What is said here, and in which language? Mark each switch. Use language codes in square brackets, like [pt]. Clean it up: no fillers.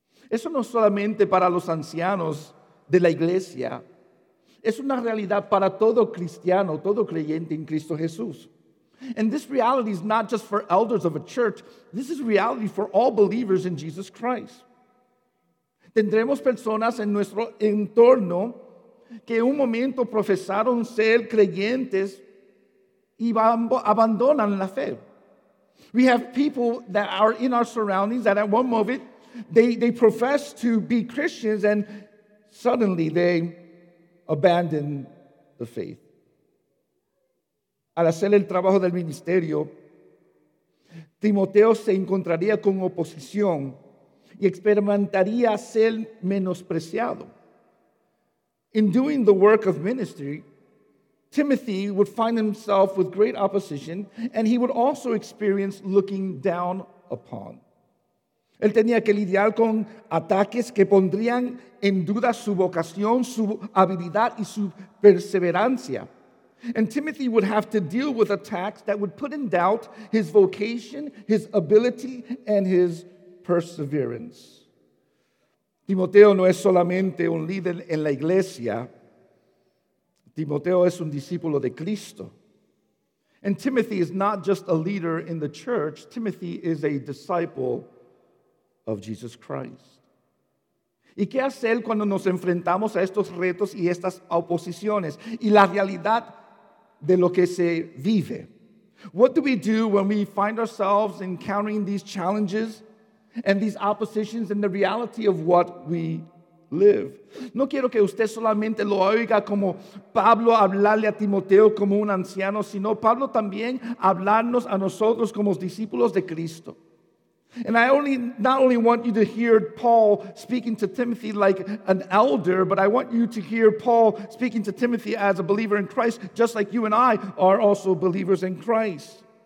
[es] Eso no solamente para los ancianos de la iglesia. Es una realidad para todo cristiano, todo creyente en Cristo Jesús. [en] And this reality is not just for elders of a church. This is reality for all believers in Jesus Christ. [es] Tendremos personas en nuestro entorno que en un momento profesaron ser creyentes y abandonan la fe. [en] We have people that are in our surroundings that at one moment they profess to be Christians and suddenly they abandon the faith. [es] Al hacer el trabajo del ministerio, Timoteo se encontraría con oposición y experimentaría ser menospreciado. [en] In doing the work of ministry, Timothy would find himself with great opposition and he would also experience looking down upon. [es] Él tenía que lidiar con ataques que pondrían en duda su vocación, su habilidad y su perseverancia. [en] And Timothy would have to deal with attacks that would put in doubt his vocation, his ability, and his perseverance. [es] Timoteo no es solamente un líder en la iglesia. Timoteo es un discípulo de Cristo. [en] And Timothy is not just a leader in the church. Timothy is a disciple of Jesus Christ. [es] ¿Y qué hacer cuando nos enfrentamos a estos retos y estas oposiciones y la realidad de lo que se vive? [en] What do we do when we find ourselves encountering these challenges and these oppositions and the reality of what we live? [es] No quiero que usted solamente lo oiga como Pablo hablarle a Timoteo como un anciano, sino Pablo también hablarnos a nosotros como discípulos de Cristo. [en] And I not only want you to hear Paul speaking to Timothy like an elder, but I want you to hear Paul speaking to Timothy as a believer in Christ, just like you and I are also believers in Christ.